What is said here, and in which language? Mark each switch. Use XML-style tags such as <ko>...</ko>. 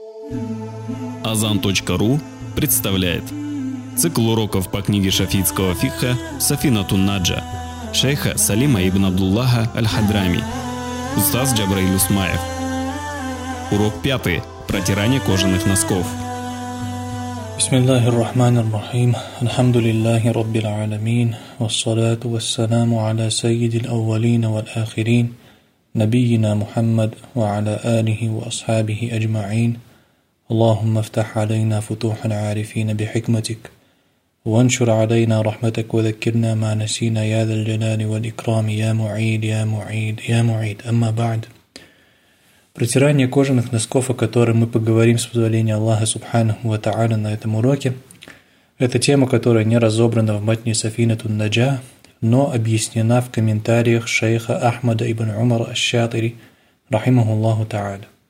<ru>Azan.ru представляет цикл уроков по книге шафиитского фикха Сафина Тунаджа, шейха Салима ибн Абдуллаха Аль-Хадрами, устаз Джабраиль Усмаев. Урок 5. Протирание кожаных носков.</ru> <ar>Бисмиллахир рахманир рахим. Алхамдулиллахи раббил аламин. Вассалату вассаляму аля сайидил аввалина валь ахирин. نبينا محمد وعلى آله وأصحابه أجمعين اللهم افتح علينا فتوح العارفين بحكمتك وانشر علينا رحمتك وذكرنا ما نسينا يا ذا الجلال والإكرام يا معيد يا معيد يا معيد أما بعد.</ar> <ru>Протирание кожаных носков, о котором мы поговорим с позволения Аллаха</ru> <ar>Субханаху ва Тааля</ar> <ru>на этом уроке, это тема, которая не разобрана в матне Сафинату Наджа, но объяснена в комментариях шейха Ахмада ибн Умара аш-Шатири,</ru> <ar>рахимахуллаху та'аля.</ar>